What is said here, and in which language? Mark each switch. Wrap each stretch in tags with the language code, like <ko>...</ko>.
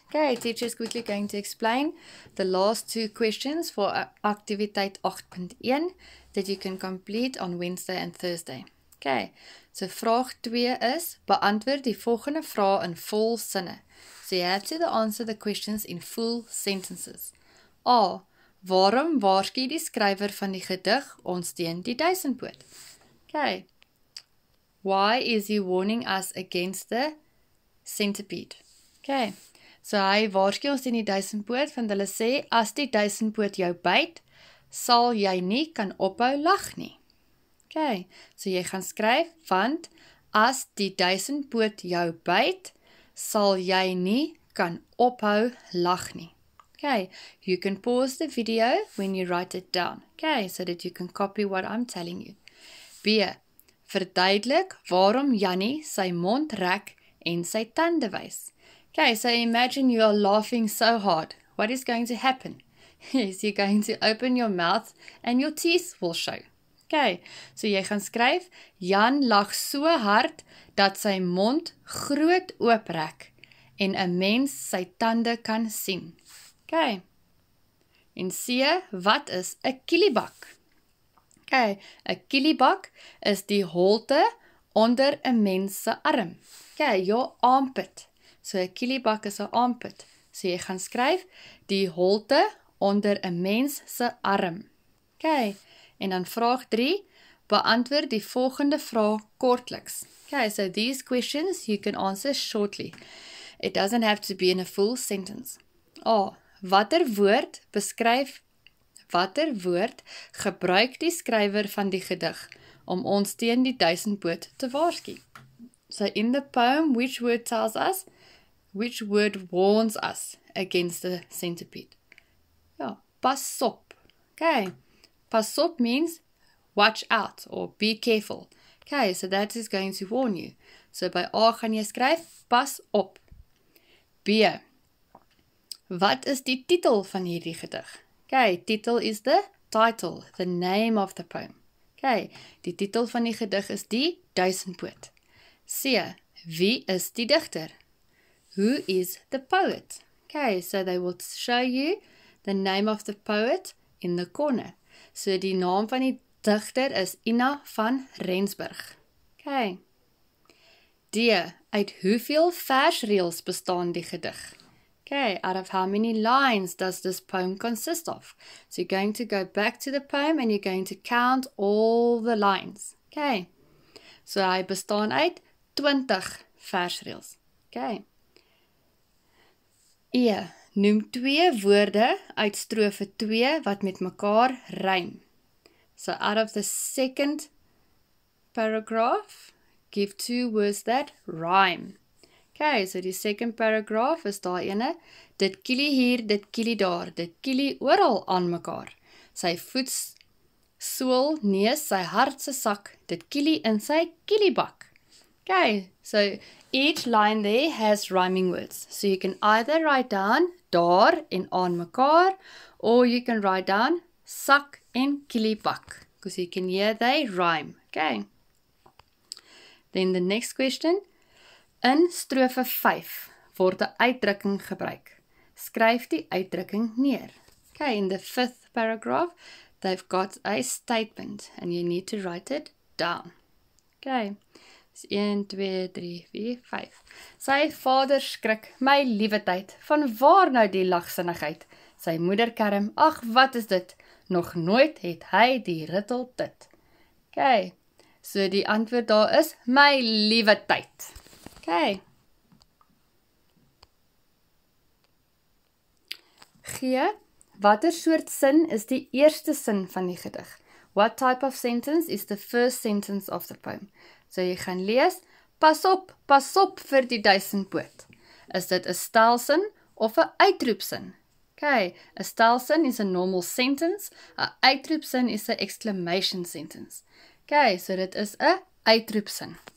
<en>Okay, teacher is quickly going to explain the last two questions for activity 8.1 that you can complete on Wednesday and Thursday.</en> <af>Okay, so vraag 2 is, beantwoord die volgende vraag in vol sinne.</af> <en>So you have to answer the questions in full sentences. A.</en> <af>Waarom waarsku die skrywer van die gedig ons teen die duisendpoot?</af> <en>Okay. Why is he warning us against the centipede?</en> <af>Okay, so hy waarsku ons in die duisendpoot, want hulle sê, as die duisendpoot jou byt, sal jy nie kan ophou lag nie. Okay, so jy gaan skryf, want as die duisendpoot jou byt, sal jy nie kan ophou lag nie.</af> <en>Okay, you can pause the video when you write it down. Okay, so that you can copy what I'm telling you. B.</en> <af>Verduidelik waarom Jannie sy mond rek en sy tande wys.</af> <en>Okay, so imagine you are laughing so hard. What is going to happen? Yes, you're going to open your mouth and your teeth will show.</en> <af>Okay, so jy gaan skryf, Jan lag so hard dat sy mond groot ooprek en 'n mens sy tande kan sien. Okay, en C, wat is 'n kielibak? Okay, 'n kielibak is die holte onder 'n mens se arm.</af> <en>Okay, your armpit.</en> <af>So, 'n kielibak is 'n armpit. So, jy gaan skryf, die holte onder 'n mens se arm. Okay, en dan vraag 3, beantwoord die volgende vraag kortliks.</af> <en>Okay, so these questions you can answer shortly. It doesn't have to be in a full sentence.</en> <af>A, watter woord gebruik die skrywer van die gedig om ons teen die duisendpoot te waarsku?</af> <en>So in the poem, which word tells us, which word warns us against the centipede?</en> <af>Ja, pas op.</af> <en>Okay, pas op means watch out or be careful. Okay, so that is going to warn you.</en> <af>So by A gaan jy skryf, pas op. B, wat is die titel van hierdie gedig?</af> <en>Okay, titel is the title, the name of the poem.</en> <af>Okay, die titel van die gedig is die duisendpoot. C, wie is die digter?</af> <en>Who is the poet? Okay, so they will show you the name of the poet in the corner.</en> <af>So die naam van die digter is Ina van Rensburg.</af> <en>Okay.</en> <af>D, uit hoeveel versreels bestaan die gedig?</af> <en>Okay, out of how many lines does this poem consist of? So you're going to go back to the poem and you're going to count all the lines.</en> <af>Okay, so hy bestaan uit 20 versreels. Okay. E, noem 2 woorde uit strofe 2 wat met mekaar rym.</af> <en>So out of the second paragraph, give 2 words that rhyme.</en> <af>Okay, so die</af> <en>second paragraph</en> <af>is daai ene, dit kielie hier, dit kielie daar, dit kielie oral aan mekaar. Sy voet sool neus sy hart se sak, dit kielie in sy kieliebak.</af> <en>Okay, so each line there has rhyming words. So you can either write down</en> <af>daar en aan mekaar,</af> <en>or you can write down</en> <af>sak en kieliebak,</af> <en>because you can hear they rhyme. Okay. Then the next question.</en> <af>In strofe 5 word 'n uitdrukking gebruik. Skryf die uitdrukking neer.</af> <en>Okay, in the fifth paragraph, they've got a statement and you need to write it down. Okay. 1, 2, 3, 4, 5.</en> <af>Sy vader skrik, my liewe tyd, van waar nou die lagsinnigheid? Sy moeder kerm, ag, wat is dit? Nog nooit het hy die rittel dit. Okay, so die antwoord daar is, my liewe tyd.</af> <en>Okay.</en> <af>G, watter soort sin is die eerste sin van die gedig?</af> <en>What type of sentence is the first sentence of the poem?</en> <af>So jy gaan lees, pas op vir die duisendpoot. Is dit 'n stelsin of 'n uitroepsin? Okay, 'n stelsin is</af> <en>a normal sentence,</en> <af>'n uitroepsin is</af> <en>a exclamation sentence.</en> <af>Okay, so dit is 'n uitroepsin.</af>